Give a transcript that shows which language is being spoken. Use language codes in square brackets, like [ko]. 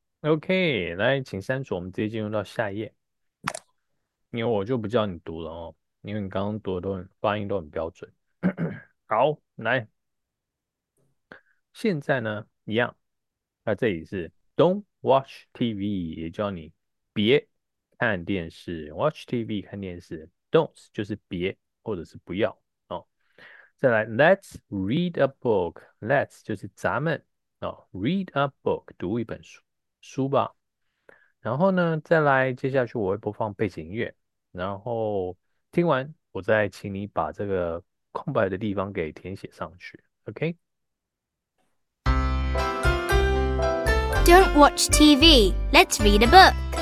[zh] OK，来，请删除，我们直接进入到下一页。因为我就不叫你读了哦，因为你刚刚读的都很，发音都很标准 好，来，现在呢，一样，那这里是 [en] Don't watch TV， [zh] 也叫你别看电视，watch TV 看电视，Don't 就是别或者是不要哦。再来， [en] Let's read a book， [zh] Let's 就是咱们。 [en] Read a book， [zh] 读一本书吧。然后呢，再来，接下去我会播放背景音乐。然后听完，我再请你把这个空白的地方给填写上去。 [en] OK？Don't watch TV. Let's read a book.